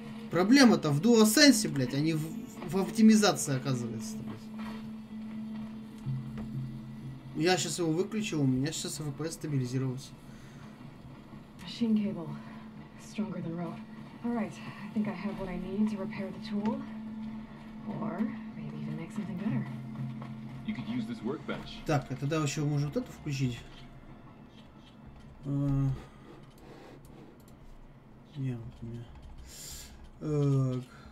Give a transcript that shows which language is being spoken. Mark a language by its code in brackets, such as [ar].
[ru] Проблема-то в DualSense, блядь, а не в оптимизации, оказывается. Я сейчас его выключил, у меня сейчас FPS стабилизировался. [en] Machine cable. Stronger than rope. Alright, I think I have what I need to repair the tool. Or maybe even make something better. You could use this workbench. [ru] Так, а тогда еще можно вот это включить. Не, вот у меня.